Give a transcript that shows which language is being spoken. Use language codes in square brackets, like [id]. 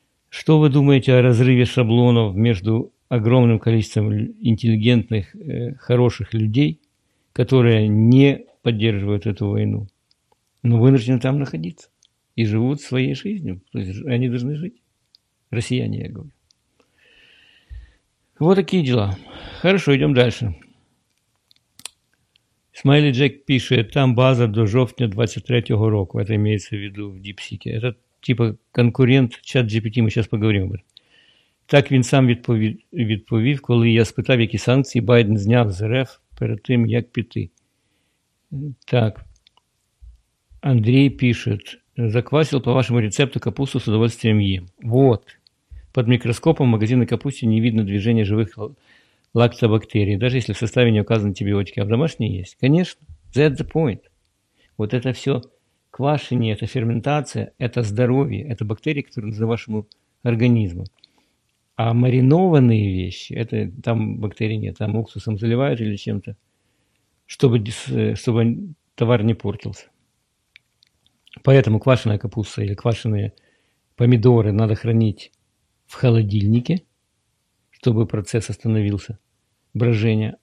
[ru] Что вы думаете о разрыве шаблонов между огромным количеством интеллигентных, хороших людей, которые не поддерживают эту войну, но вынуждены там находиться и живут своей жизнью? То есть они должны жить. Россияне, я говорю. Вот такие дела. Хорошо, идем дальше. [uk] Смайли Джек пишет, там база до жовтня 23-го року. [ru] Это имеется в виду в Діпсіке. Это типа конкурент чат GPT, мы сейчас поговорим об этом. [uk] Так він сам відповів, коли я спитав, які санкції Байден зняв з РФ перед тим, як піти. Так, Андрій пише, заквасив по вашому рецепту капусту з удовольствием їм. Вот, під мікроскопом магазину капусті не видно движення живих лактобактерій, навіть якщо в составі не вказані антибіотики, а в домашній є. [en] Звісно, that's the point. [uk] Вот це все квашення, це ферментація, це здоров'я, це бактерії, які належать вашому організму. [ru] А маринованные вещи, это там бактерий нет, там уксусом заливают или чем-то, чтобы товар не портился. Поэтому квашеная капуста или квашеные помидоры надо хранить в холодильнике, чтобы процесс остановился, брожение.